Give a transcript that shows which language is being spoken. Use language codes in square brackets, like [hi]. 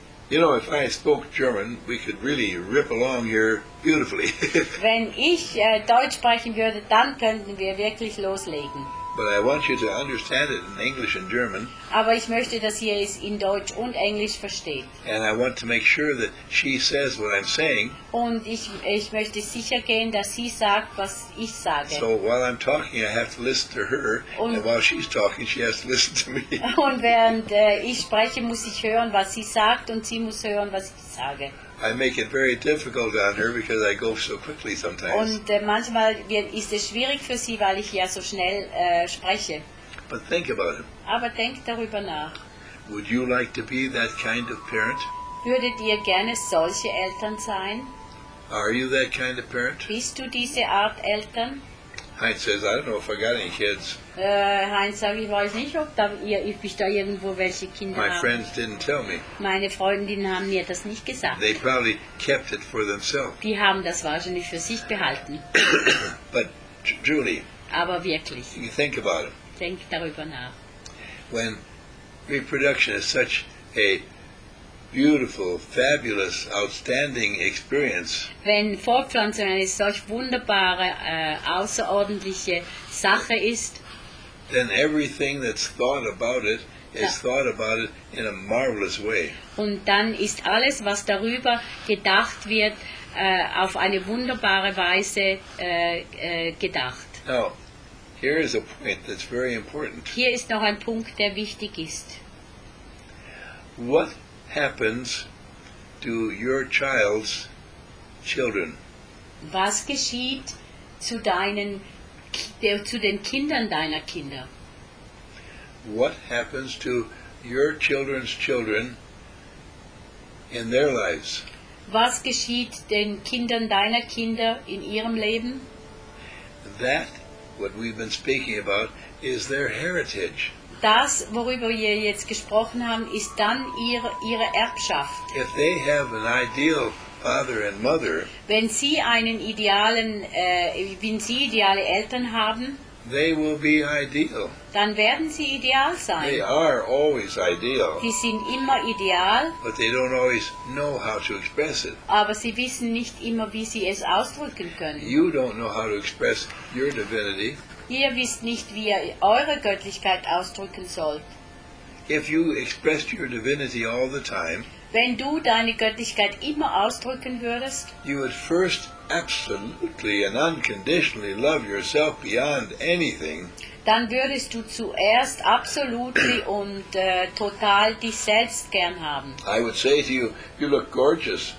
[en] You know, if I spoke German, we could really rip along here beautifully. [de] Wenn ich Deutsch sprechen würde, dann könnten wir wirklich loslegen. [en] But I want you to understand it in English and German. [de] Aber ich möchte, dass ihr es in Deutsch und Englisch versteht. [en] And I want to make sure that she says what I'm saying. [de] Und ich möchte sicher gehen, dass sie sagt, was ich sage. [en] So while I'm talking, I have to listen to her. And while she's talking, she has to listen to me. [de] Und während ich spreche, muss ich hören, was sie sagt, und sie muss hören, was ich sage. [en] I make it very difficult on her because I go so quickly sometimes. [de] Und manchmal ist es schwierig für sie, weil ich ja so schnell spreche. [en] But think about it. [de] Aber denk darüber nach. [en] Would you like to be that kind of parent? [de] Würdet ihr gerne solche Eltern sein? [en] Are you that kind of parent? [de] Bist du diese Art Eltern? [en] Heinz says, I don't know if I got any kids. [de] Heinz sagt, ich weiß nicht, ob ich da irgendwo welche Kinder habe. [en] My friends didn't tell me. [de] Meine Freundinnen haben mir das nicht gesagt. [en] They probably kept it for themselves. [de] Die haben das wahrscheinlich für sich behalten. [en] But truly. [de] Aber wirklich. [en] You think about it. [de] Denk darüber nach. [en] When reproduction is such a beautiful, fabulous, outstanding experience. [de] Wenn Fortpflanzung eine solch wunderbare, außerordentliche Sache ist, [en] then everything that's thought about it is thought about it in a marvelous way. [de] Und dann ist alles, was darüber gedacht wird, auf eine wunderbare Weise gedacht. [en] Now, here is a point that's very important. [de] Hier ist noch ein Punkt, der wichtig ist. [en] What happens to your child's children? [de] Was geschieht zu deinen zu den Kindern deiner Kinder? [en] What happens to your children's children in their lives? [de] Was geschieht den Kindern deiner Kinder in ihrem Leben? [en] That, what we've been speaking about, is their heritage. [de] Das, worüber wir jetzt gesprochen haben, ist dann ihre Erbschaft. [en] If they have an ideal father and mother, [de] wenn sie ideale Eltern haben, [en] they will be ideal. [de] Dann werden sie ideal sein. [en] They are always ideal. [de] Sie sind immer ideal. [en] But they don't always know how to express it. [de] Aber sie wissen nicht immer, wie sie es ausdrücken können. [en] You don't know how to express your divinity. [de] Ihr wisst nicht, wie ihr eure Göttlichkeit ausdrücken sollt. [en] If you expressed your divinity all the time, [de] wenn du deine Göttlichkeit immer ausdrücken würdest, [en] you would first absolutely and unconditionally love yourself beyond anything, [de] dann würdest du zuerst absolut und total dich selbst gern haben. [en] I would say to you, you look gorgeous.